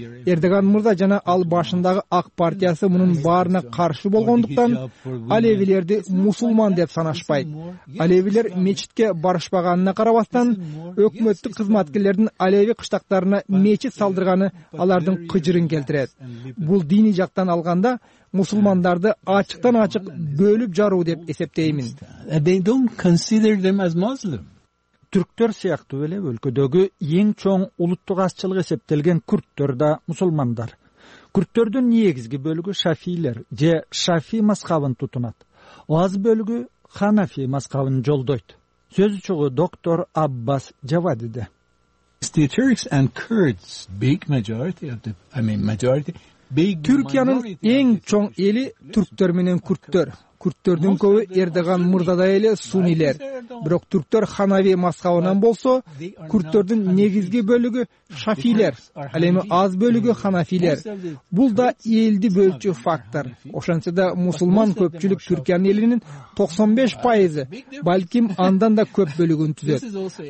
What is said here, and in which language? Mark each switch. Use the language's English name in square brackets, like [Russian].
[Kyrgyz] Эрдоган мырза жана ал башындагы Ак партиясы мунун баарына каршы болгондуктан алевилерди мусулман деп санашпайт. Алевилер мечитке барышпаганына карабастан өкмөттүк кызматкерлердин алеви кыштактарына мечит салдырганы алардын кыжырын келтирет. Бул диний жактан алганда мусулмандарды ачыктан ачык бөлүп жаруу деп эсептеймин. [English] They don't consider them as Muslim. [Kyrgyz] Түрктөр сыяктуу эле өлкөдөгү эң чоң улуттук азчылык эсептелген күрдтөр да мусулмандар. Күрдтөрдүн негизги бөлүгү шафийлер же шафи мазхабын тутунат. Аз бөлүгү ханафи мазхабын жолдойт. Сөз учугу доктор Аббас Жавадиде. [English] The Turks and Kurds big majority of the majority. [Kyrgyz] Түркиянын эң чоң эли түрктөр менен күрдтөр. Күрдтөрдүн көбү Эрдоган мырзадай эле сунилер. Бирок түрктөр ханави мазхабынан болсо, күрдтөрдүн негизги бөлүгү шафилер, ал эми аз бөлүгү ханафилер. Бул да элди бөлчү фактор. Ошентсе да мусулман көпчүлүк Түркиянын элинин 95% балким андан да көп бөлүгүн түзөт.